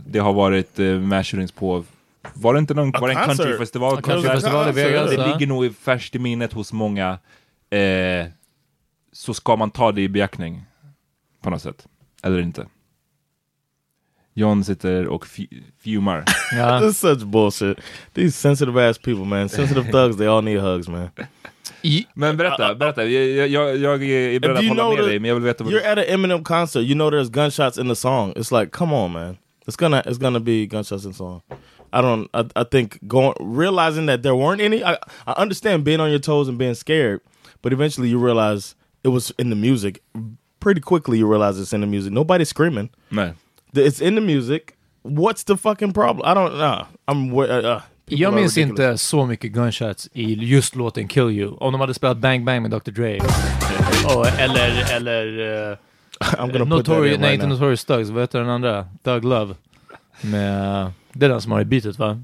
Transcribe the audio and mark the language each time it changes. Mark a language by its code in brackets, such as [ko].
[sv] Det har varit mass shootings på, var det inte någon, var det en countryfestival? Countryfestival i Vegas. Det ligger nog i färskt i minnet hos många. Så ska man ta det i beaktning på något sätt, eller inte? John sitter och fumar. [en] This is such bullshit. These sensitive ass people, man. Sensitive thugs, they all need hugs, man. [sv] Men berätta. Jag är beredd att hålla med dig, men jag vill veta vad. [en] You're at an Eminem concert. You know there's gunshots in the song. It's like, come on, man. It's gonna be gunshots in the song. I think realizing that there weren't any. I understand being on your toes and being scared, but eventually you realize it was in the music. Pretty quickly you realize it's in the music. Nobody's screaming. [sv] Nej. [en] It's in the music. What's the fucking problem? I don't know. [sv] Jag minns inte så mycket gunshots i just låten Kill You. Om de hade spelat Bang Bang med Dr. Dre. eller Notorious, nej, inte Notorious Thugs. Vad heter den andra? Thug Love. Det är den som har i beatet, va?